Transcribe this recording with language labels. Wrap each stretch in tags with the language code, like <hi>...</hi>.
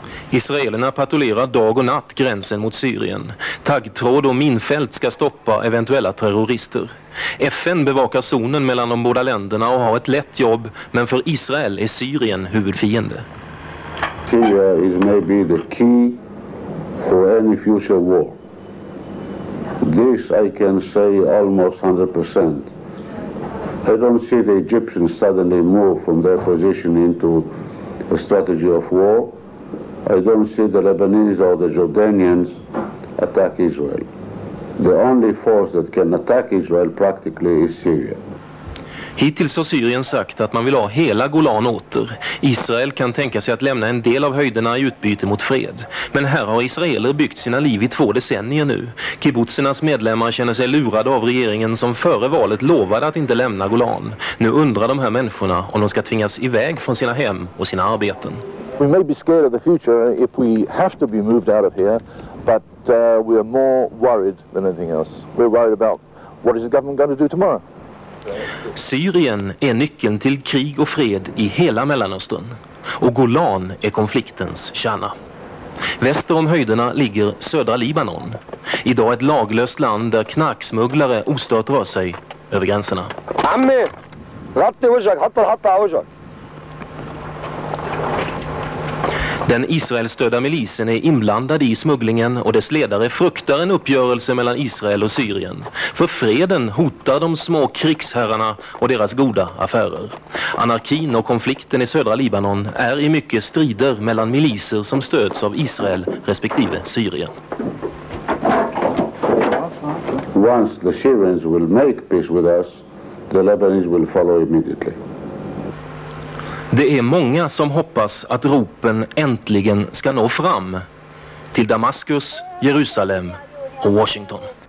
<sv>Israelerna patrullerar dag och natt gränsen mot Syrien. Taggtråd och minfält ska stoppa eventuella terrorister. FN bevakar zonen mellan de båda länderna och har ett lätt jobb, men för Israel är Syrien huvudfiende.</sv> <en>Syria is maybe the key for any future war. This I can say almost 100%. I don't see the Egyptians suddenly move from their position into a strategy of war. I don't see the Lebanese or the Jordanians attack Israel. The only force that can attack Israel practically is Syria.</en> <sv>Hittills har Syrien sagt att man vill ha hela Golan åter. Israel kan tänka sig att lämna en del av höjderna i utbyte mot fred. Men här har israeler byggt sina liv i två decennier nu. Kibbutzernas medlemmar känner sig lurade av regeringen som före valet lovade att inte lämna Golan. Nu undrar de här människorna om de ska tvingas iväg från sina hem och sina arbeten.</sv> <en>We may be scared of the future if we have to be moved out of here, but we are more worried than anything else. We're worried about what is the government going to do tomorrow.</en> <sv>Syrien är nyckeln till krig och fred i hela Mellanöstern. Och Golan är konfliktens kärna. Väster om höjderna ligger södra Libanon. Idag ett laglöst land där knarksmugglare ostört rör sig över gränserna.</sv> <ar>Ammi! Ratti wajhak, hatta hatta wajhak.</ar> <sv>Den israelstödda milisen är inblandad i smugglingen och dess ledare fruktar en uppgörelse mellan Israel och Syrien. För freden hotar de små krigsherrarna och deras goda affärer. Anarkin och konflikten i södra Libanon är i mycket strider mellan miliser som stöds av Israel respektive Syrien.</sv> <en>Once the Syrians will make peace with us, the Lebanese will follow immediately.</en> <sv>Det är många som hoppas att ropen äntligen ska nå fram till Damaskus, Jerusalem och Washington.</sv>